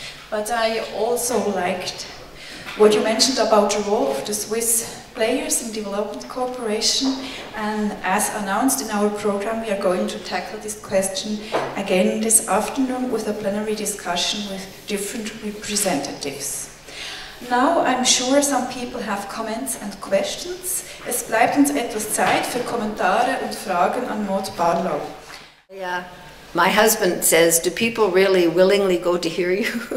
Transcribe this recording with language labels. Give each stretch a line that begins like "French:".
English: But I also liked what you mentioned about the role of the Swiss players in development cooperation, and as announced in our program, we are going to tackle this question again this afternoon with a plenary discussion with different representatives. Now, I'm sure some people have comments and questions.
German: Es bleibt uns etwas Zeit für Kommentare und Fragen an Maud Barlow. Yeah.
English: My husband says, do people really willingly go to hear you?